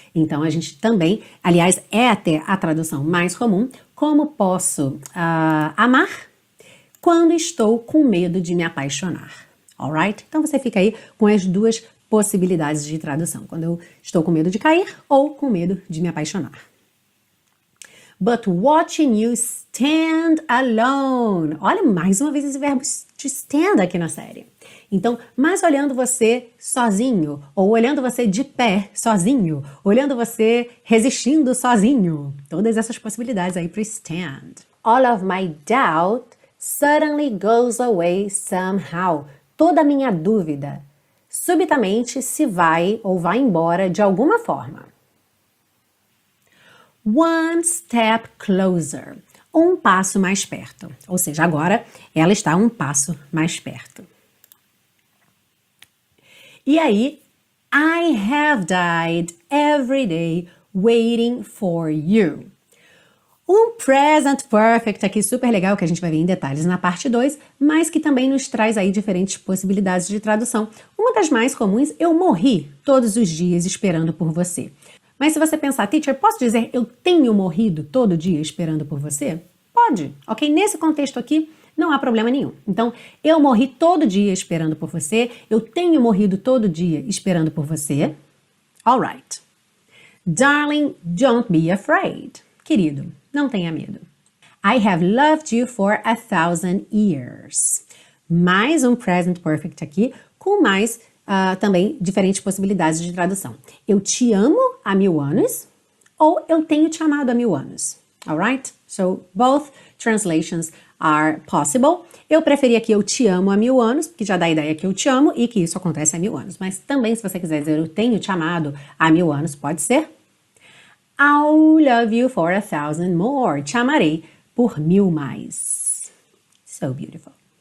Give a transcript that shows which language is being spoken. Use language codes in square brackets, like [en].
[pt] Então, a gente também, aliás, é até a tradução mais comum, como posso amar quando estou com medo de me apaixonar. Alright? Então, você fica aí com as duas possibilidades de tradução. Quando eu estou com medo de cair ou com medo de me apaixonar. [en] But watching you stand alone. [pt] Olha mais uma vez esse verbo to stand aqui na série. Então, mas olhando você sozinho, ou olhando você de pé sozinho, olhando você resistindo sozinho. Todas essas possibilidades aí para stand. [en] All of my doubt suddenly goes away somehow. [pt] Toda a minha dúvida subitamente se vai ou vai embora de alguma forma. [en] One step closer. [pt] Um passo mais perto. Ou seja, agora ela está um passo mais perto. E aí, [en] I have died every day waiting for you. [pt] Um present perfect aqui, super legal, que a gente vai ver em detalhes na parte 2, mas que também nos traz aí diferentes possibilidades de tradução. Uma das mais comuns, eu morri todos os dias esperando por você. Mas se você pensar, teacher, posso dizer eu tenho morrido todo dia esperando por você? Pode, ok? Nesse contexto aqui, não há problema nenhum. Então, eu morri todo dia esperando por você, eu tenho morrido todo dia esperando por você. [en] All right. Darling, don't be afraid. [pt] Querido, não tenha medo. [en] I have loved you for 1,000 years. [pt] Mais um present perfect aqui, com mais também diferentes possibilidades de tradução. Eu te amo há 1,000 anos, ou eu tenho te amado há 1,000 anos. [en] Alright? So, both translations are possible. [pt] Eu preferia que eu te amo há 1,000 anos, que já dá a ideia que eu te amo e que isso acontece há 1,000 anos. Mas também, se você quiser dizer eu tenho te amado há 1,000 anos, pode ser. [en] I'll love you for 1,000 more. [pt] Te amarei por 1,000 mais. [en] So beautiful.